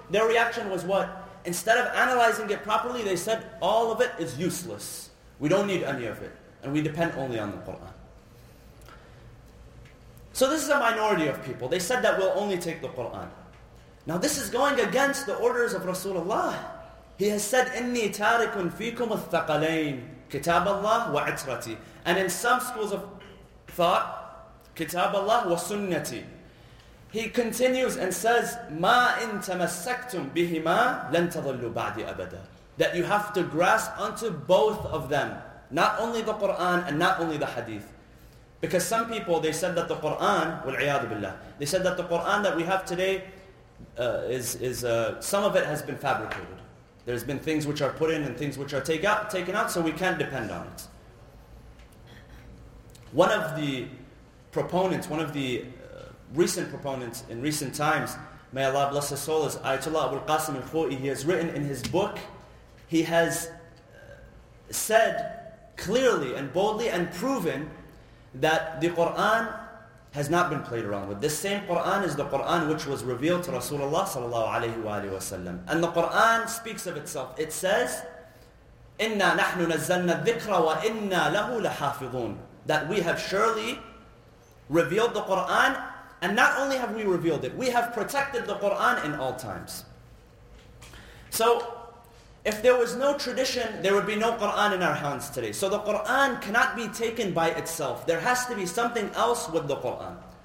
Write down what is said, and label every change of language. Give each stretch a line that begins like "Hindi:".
English: Their reaction was what? Instead of analyzing it properly, they said, all of it is useless. We don't need any of it. And we depend only on the Qur'an. So this is a minority of people. They said that we'll only take the Qur'an. Now this is going against the orders of Rasulullah. He has said,
Arabic: إِنِّي تَارِكٌ فِيكُمُ الثَّقَلَيْنِ كِتَابَ اللَّهِ وَعِتْرَتِي.
English: And in some schools of thought,
Arabic: كِتَابَ اللَّهِ وَسُنَّتِي.
English: He continues and says,
Arabic: مَا إِن تَمَسَّكْتُمْ بِهِمَا لَن تَظَلُّ بَعْدِ أَبَدًا.
English: That you have to grasp onto both of them. Not only the Qur'an and not only the hadith. Because some people, they said that the Qur'an,
Arabic: وَالْعِيَادُ بِاللَّهِ,
English: they said that the Qur'an that we have today, some of it has been fabricated. There's been things which are put in and things which are taken out, so we can't depend on it. One of the proponents, one of the recent proponents in recent times, may Allah bless his soul, is Ayatollah Abul Qasim al-Khoi. He has written in his book, he has said clearly and boldly and proven that the Qur'an has not been played around with. This same Qur'an is the Qur'an which was revealed to Rasulullah sallallahu alayhi wa alayhi wa sallam. And the Qur'an speaks of itself. It says,
Arabic: إِنَّا نَحْنُ نَزَّلْنَا الذِّكْرَ وَإِنَّا لَهُ لَحَافِظُونَ.
English: That we have surely revealed the Qur'an, and not only have we revealed it, we have protected the Qur'an in all times. So, if there was no tradition, there would be no Qur'an in our hands today. So the Qur'an cannot be taken by itself. There has to be something else with the Qur'an.